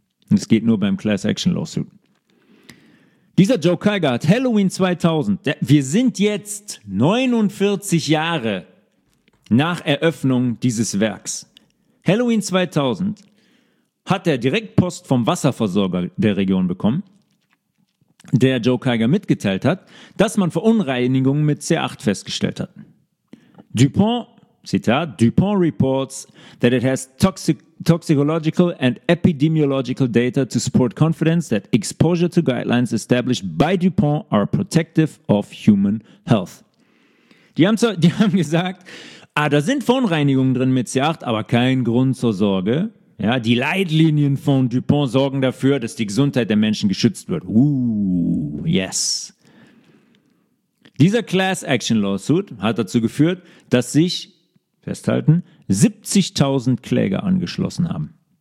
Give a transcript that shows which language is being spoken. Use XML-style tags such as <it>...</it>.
<de>Und es geht nur beim Class-Action-Lawsuit. Dieser Joe Kiger hat Halloween 2000, wir sind jetzt 49 Jahre nach Eröffnung dieses Werks. Halloween 2000 hat er direkt Post vom Wasserversorger der Region bekommen der Joe Kiger mitgeteilt hat, dass man Verunreinigungen mit C8 festgestellt hat.</de> <en>DuPont,</en> <de>Zitat,</de> <en>DuPont reports that it has toxicological and epidemiological data to support confidence that exposure to guidelines established by DuPont are protective of human health.</en> <de>Die haben gesagt, da sind Verunreinigungen drin mit C8, aber kein Grund zur Sorge. Ja, die Leitlinien von DuPont sorgen dafür, dass die Gesundheit der Menschen geschützt wird.</de> <en>Yes.</en> <de>Dieser Class Action Lawsuit hat dazu geführt, dass sich, festhalten, 70.000 Kläger angeschlossen haben.</de>